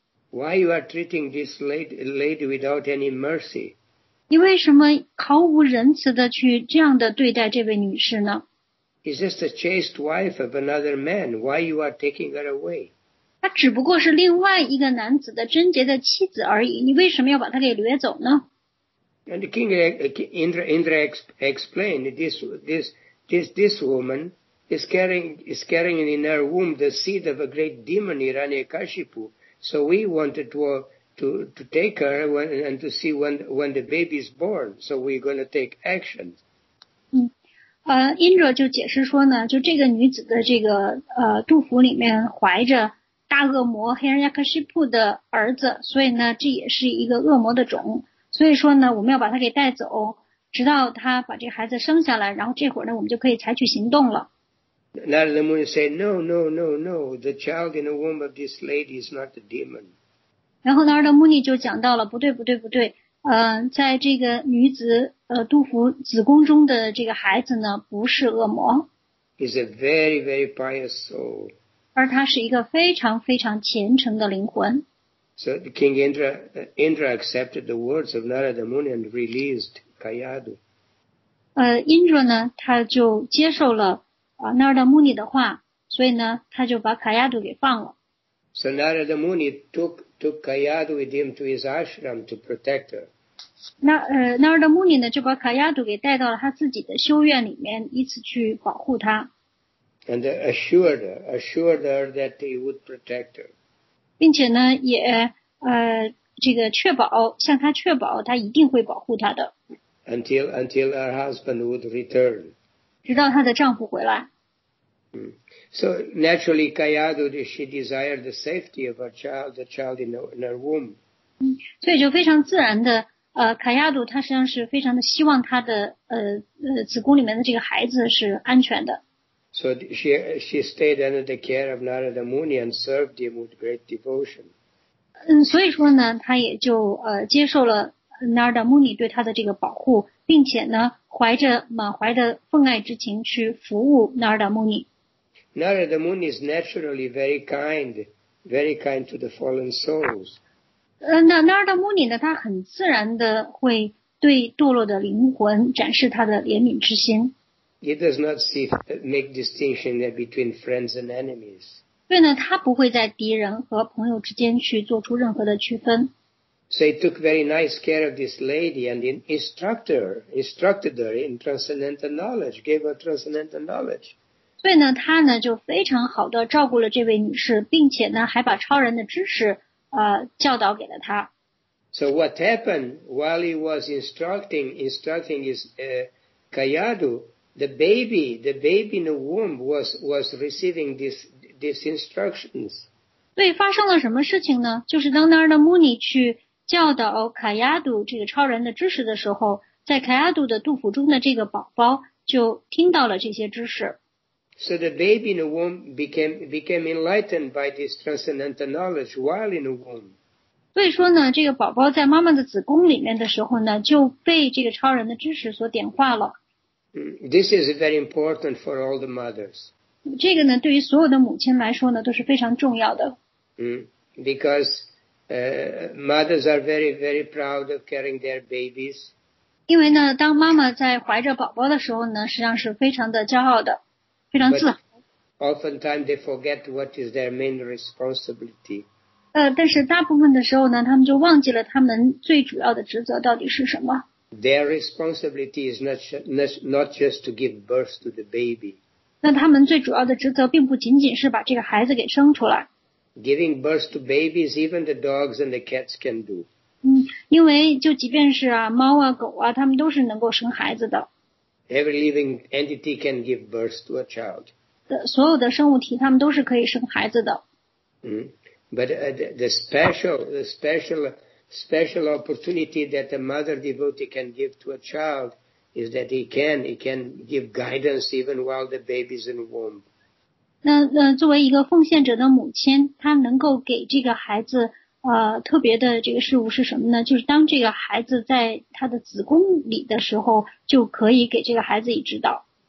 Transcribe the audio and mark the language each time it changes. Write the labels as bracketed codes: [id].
[en] Why you are treating this lady without any mercy? [zh] 你为什么毫无仁慈的去这样的对待这位女士呢 [en] ？Is this a chaste wife of another man? Why you are taking her away? [zh] 她只不过是另外一个男子的贞洁的妻子而已。你为什么要把她给掠走呢 [en] ？And King Indra explained this woman is carrying in her womb the seed of a great demon Hiranyakashipu. So we wanted to take her and to see when the baby is born. So we're going to take action. [zh] Indra 就解释说呢，就这个女子的这个肚腹里面怀着大恶魔黑人亚克西普的儿子，所以呢，这也是一个恶魔的种。所以说呢，我们要把她给带走，直到她把这个孩子生下来，然后这会儿呢，我们就可以采取行动了。 [en] Narada Muni said, "No, no, no, no. The child in the womb of this lady is not a demon." [zh] 然后呢，尔德穆尼就讲到了，不对，在这个女子杜甫子宫中的这个孩子呢，不是恶魔。 [en] He's a very, very pious soul. [zh] 而他是一个非常非常虔诚的灵魂。 [en] So the King Indra accepted the words of Narada Muni and released Kayadu. [zh] Indra 呢，他就接受了尔德穆尼的话，所以呢，他就把卡亚杜给放了。 [en] So Narada Muni took Kayadu with him to his ashram to protect her. [zh] Narada Muni 呢就把卡亚杜给带到了他自己的修院里面，以此去保护他。 [en] And assured her that he would protect her. [zh] 并且呢也这个确保向他确保他一定会保护他的。 [en] Until her husband would return. [zh] 直到他的丈夫回来。 [en] So naturally, Kayadu, she desired the safety of her child, the child in her womb. [zh] 所以就非常自然的，卡亚杜他实际上是非常的希望他的子宫里面的这个孩子是安全的。 [en] So she stayed under the care of Narada Muni and served him with great devotion. [zh] 所以说呢，他也就接受了 Narada Muni 对他的这个保护，并且呢，怀着满怀的奉爱之情去服务 Narada Muni。 [en] Narada Muni is naturally very kind to the fallen souls. [zh] Narada Muni 呢，他很自然的会对堕落的灵魂展示他的怜悯之心。 [en] He does not make distinction between friends and enemies. [zh] 对呢，他不会在敌人和朋友之间去做出任何的区分。 [en] So he took very nice care of this lady and instructed her in transcendental knowledge, gave her transcendental knowledge. [zh] 所以呢，他呢就非常好的照顾了这位女士，并且呢还把超人的知识教导给了她。 [en] So what happened while he was instructing his Kayadu, the baby in the womb was receiving these instructions. [zh] 对，发生了什么事情呢？就是当Narada Muni去教导Kayadu这个超人的知识的时候，在Kayadu的肚腹中的这个宝宝就听到了这些知识。 [en] So the baby in the womb became enlightened by this transcendental knowledge while in the womb. [zh] 所以说呢，这个宝宝在妈妈的子宫里面的时候呢，就被这个超人的知识所点化了。 [en] This is very important for all the mothers. [zh] 这个呢，对于所有的母亲来说呢，都是非常重要的。 [en] Because mothers are very very proud of carrying their babies. [zh] 因为呢，当妈妈在怀着宝宝的时候呢，实际上是非常的骄傲的。 [en] But oftentimes they forget what is their main responsibility. [zh] 但是大部分的时候呢，他们就忘记了他们最主要的职责到底是什么。 [en] Their responsibility is not just to give birth to the baby. [zh] 那他们最主要的职责并不仅仅是把这个孩子给生出来。 [en] Giving birth to babies, even the dogs and the cats can do. [zh] 因为就即便是啊猫啊狗啊，他们都是能够生孩子的。 [en] Every living entity can give birth to a child. [zh] 所有的生物体他们都是可以生孩子的。 [en] But the special opportunity that a mother devotee can give to a child is that he can give guidance even while the baby is in the womb. [zh] 那作为一个奉献者的母亲，她能够给这个孩子特别的这个事物是什么呢？就是当这个孩子在他的子宫里的时候，就可以给这个孩子以指导。